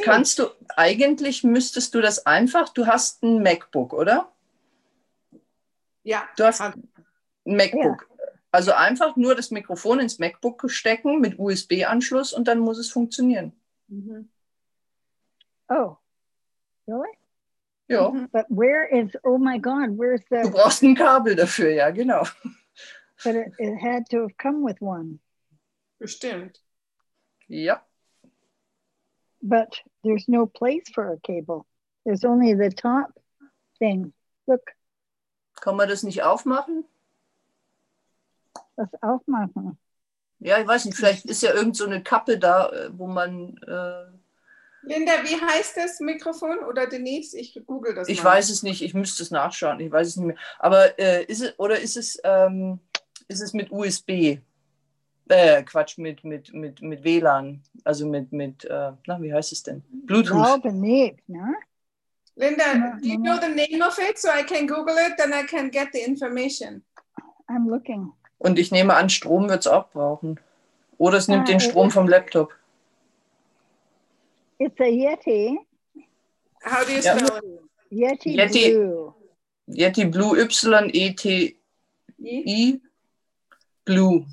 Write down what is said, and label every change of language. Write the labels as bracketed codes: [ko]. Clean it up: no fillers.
[de] Kannst du, eigentlich müsstest du das einfach, du hast ein MacBook, oder? Ja. Du hast ein MacBook. Ja. Also einfach nur das Mikrofon ins MacBook stecken mit USB-Anschluss und dann muss es funktionieren. [en] Mhm. Oh. Really? [de] Ja. [en] But where is, oh my God, where's the... [de] Du brauchst ein Kabel dafür, ja, genau. [en] But it had to have come with one. [de] Bestimmt. Ja. [en] But there's no place for a cable. There's only the top thing. Look. [de] Kann man das nicht aufmachen? Das aufmachen? Ja, ich weiß nicht, vielleicht ist ja irgend so eine Kappe da, wo man... Linda, wie heißt das Mikrofon oder Denise? Ich google das mal. Ich weiß es nicht, ich müsste es nachschauen, ich weiß es nicht mehr. Aber ist es mit USB? Quatsch, mit WLAN, also mit wie heißt es denn? Bluetooth. Ich glaube nicht, ne? [en] Linda, do you know the name of it, so I can google it, then I can get the information. I'm looking. [de] Und ich nehme an, Strom wird es auch brauchen. Oder es nimmt den Strom vom Laptop. [en] It's a Yeti. How do you spell yeah. it? Yeti Blue. Yeti Blue, Y-E-T-I. Blue.